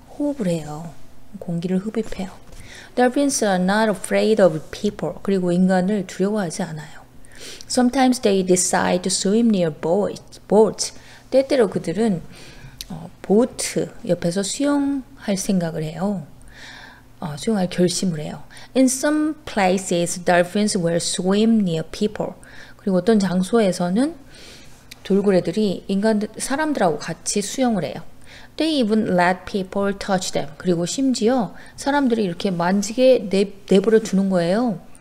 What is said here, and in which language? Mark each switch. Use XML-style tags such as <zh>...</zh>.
<ko>호흡을 해요. 공기를 흡입해요.</ko> <en>Dolphins are not afraid of people.</en> <ko>그리고 인간을 두려워하지 않아요.</ko> <en>Sometimes they decide to swim near boats.</en> <ko>때때로 그들은 보트 옆에서 수영할 생각을 해요. 수영할 결심을 해요.</ko> <en>In some places, dolphins will swim near people.</en> <ko>그리고 어떤 장소에서는 돌고래들이 사람들하고 같이 수영을 해요.</ko> <en>They even let people touch them.</en> <ko>그리고 심지어 사람들이 이렇게 만지게 내버려 두는 거예요.</ko>